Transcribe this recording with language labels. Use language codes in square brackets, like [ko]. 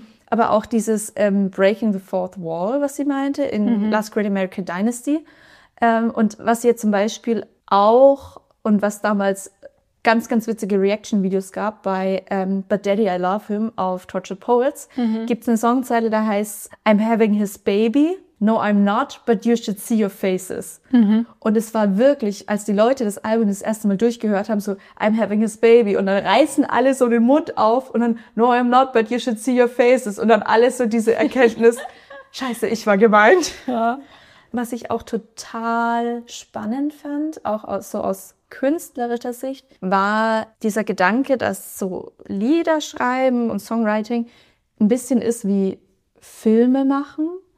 [de] Aber auch dieses Breaking the Fourth Wall, was sie meinte, in Last Great American Dynasty. Und was ihr zum Beispiel auch, und was damals ganz, ganz witzige Reaction-Videos gab bei But Daddy, I Love Him auf Tortured Poets, gibt's eine Songzeile, da heißt I'm having his baby. [en] No, I'm not, but you should see your faces. [de] Und es war wirklich, als die Leute das Album das erste Mal durchgehört haben, so, [en] I'm having his baby. [de] Und dann reißen alle so den Mund auf und dann, [en] no, I'm not, but you should see your faces. [de] Und dann alles so diese Erkenntnis, scheiße, ich war gemeint. Ja. Was ich auch total spannend fand, auch so aus künstlerischer Sicht, war dieser Gedanke, dass so Lieder schreiben und Songwriting ein bisschen ist wie Filme machen.